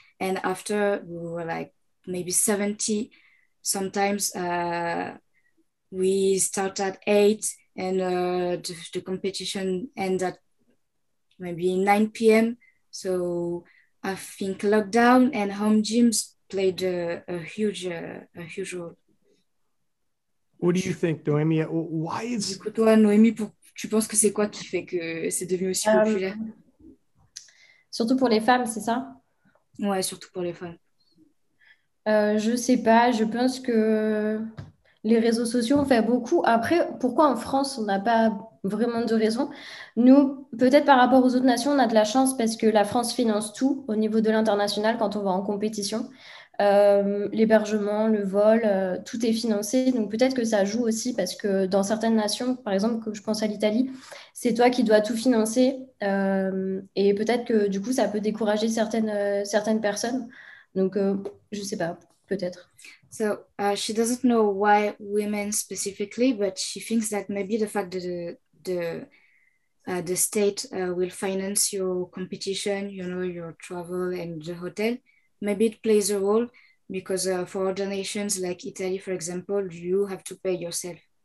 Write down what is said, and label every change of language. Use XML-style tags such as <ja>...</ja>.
<en>And after, we were like maybe 70. Sometimes we start at 8. And the competition ends at maybe 9 p.m. So I think lockdown and home gyms played a huge role. What do you think, Noemi? Why</en> <fr>Du is coup, toi, Noémie, tu penses que c'est quoi qui fait que c'est devenu aussi populaire? surtout pour les femmes, c'est ça? Ouais, surtout pour les femmes. Je sais pas, je pense que les réseaux sociaux ont fait beaucoup. Après, pourquoi en France on n'a pas vraiment de raison? Nous, peut-être par rapport aux autres nations, on a de la chance parce que la France finance tout au niveau de l'international quand on va en compétition. L'hébergement, le vol, tout est financé. Donc peut-être que ça joue aussi parce que dans certaines nations, par exemple, que je pense à l'Italie, c'est toi qui dois tout financer. Et peut-être que du coup, ça peut décourager certaines personnes. Donc je sais pas, peut-être.</fr> <en>So she doesn't know why women specifically, but she thinks that maybe the fact that the state will finance your competition, your travel and the hotel, maybe it plays a role because for other nations like Italy, for example, you have to pay yourself.</en>